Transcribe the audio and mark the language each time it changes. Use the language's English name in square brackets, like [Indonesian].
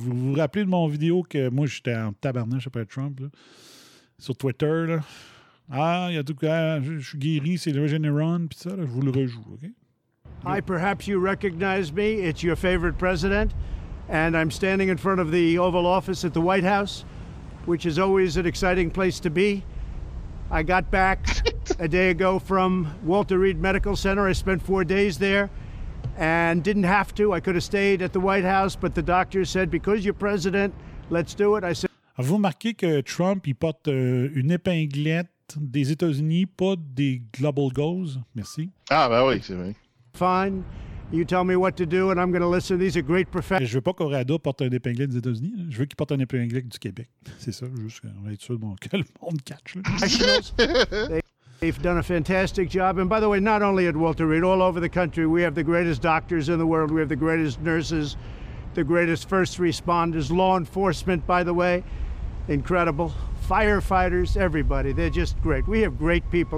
[French] Vous vous rappelez de mon vidéo que moi, j'étais en tabarnache après Trump, là, sur Twitter, là. Ah, il y a tout cas, je suis guéri, c'est le Regeneron, puis ça, là, je vous le rejoue, OK? [English] Hi, perhaps you recognize me. It's your favorite president. and I'm standing in front of the Oval Office at the White House, which is always an exciting place to be. I got back a day ago from Walter Reed Medical Center. I spent 4 days there and didn't have to. I could have stayed at the White House, but the doctor said, because you're president, let's do it. I said, [French] avez-vous remarqué que Trump, il porte une épinglette des États-Unis, pas des Global Goals? Merci. Ah, ben oui, c'est vrai. [English] Fine. You tell me what to do and I'm going to listen. These are great professionals. [French] Je veux pas qu'Orado porte un épinglette des États-Unis. Je veux qu'il porte un épinglette du Québec. C'est ça, juste qu'on va être sûr que le monde catch. [English] They've done a fantastic job. And by the way, not only at Walter Reed, all over the country, we have the greatest doctors in the world. We have the greatest nurses, the greatest first responders, law enforcement, by the way. Incredible. Firefighters, everybody. They're just great. We have great people.